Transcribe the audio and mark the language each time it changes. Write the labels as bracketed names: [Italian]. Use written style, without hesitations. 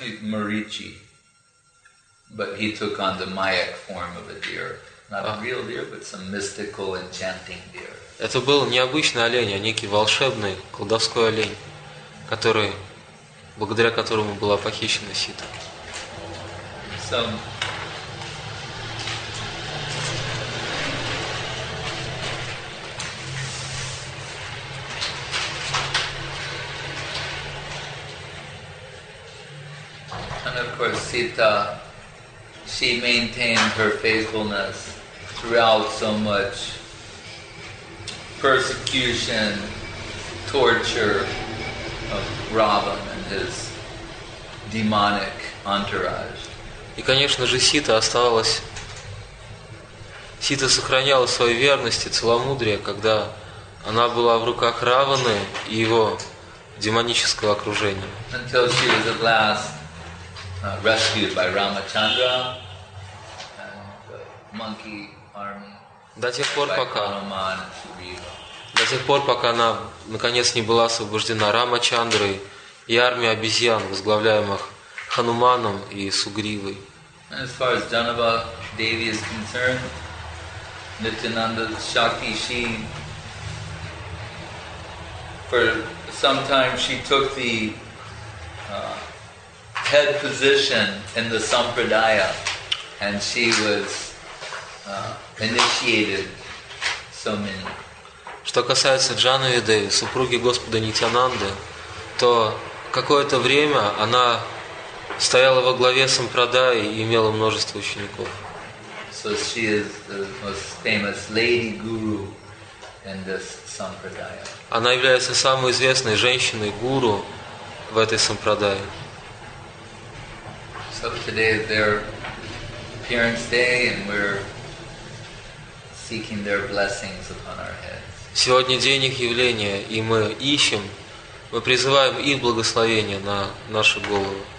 [English] Marichi, but he took on the Mayic form of a deer. Not a real deer, but some mystical enchanting deer. [Russian] Это был не обычный олень, а некий волшебный колдовской олень, который, благодаря которому была похищена Сита. [English] And of course, Sita, she maintained her faithfulness throughout so much persecution, torture of Ravan and his demonic entourage. [Russian] И, конечно же, Сита сохраняла свою верность и целомудрие, когда она была в руках Раваны и его демонического окружения. [English] Until she was at last rescued by Ramachandra and the monkey army. [Russian] До тех пор, пока она наконец не была освобождена Рамачандрой и армией обезьян, возглавляемых Хануманом и Сугривой. [English] And as far as Janava Devi is concerned, Nityananda Shakti, she, for some time, she took the head position in the Sampradaya, and she was initiated so many. [Russian] Что касается Джанави Деви, супруги Господа Нитянанды, то какое-то время она стояла во главе сампрадаи и имела множество учеников. [English] So she is the most famous lady guru in this sampradaya. [Russian] Она является самой известной женщиной гуру в этой сампрадае. [English] So today is their appearance day, and we're seeking their blessings upon our heads. [Russian] Сегодня день их явления, и мы ищем, мы призываем их благословение на наши головы.